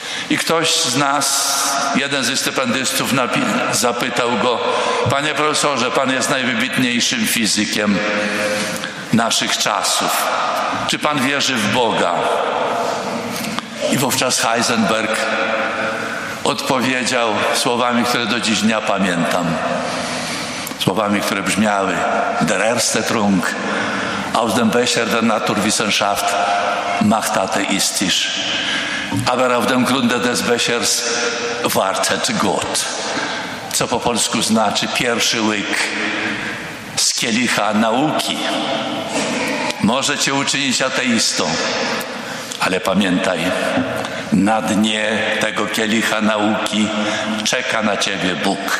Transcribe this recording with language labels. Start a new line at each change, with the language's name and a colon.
Polish: I ktoś z nas, jeden ze stypendystów, zapytał go: panie profesorze, pan jest najwybitniejszym fizykiem naszych czasów. Czy pan wierzy w Boga? I wówczas Heisenberg odpowiedział słowami, które do dziś dnia pamiętam. Słowami, które brzmiały:
German: Der erste Trunk aus dem Becher der Naturwissenschaft macht atheistisch, aber auf dem Grunde des Bechers wartet Gott.
Polish: Co po polsku znaczy: pierwszy łyk z kielicha nauki może cię uczynić ateistą, ale pamiętaj, na dnie tego kielicha nauki czeka na ciebie Bóg.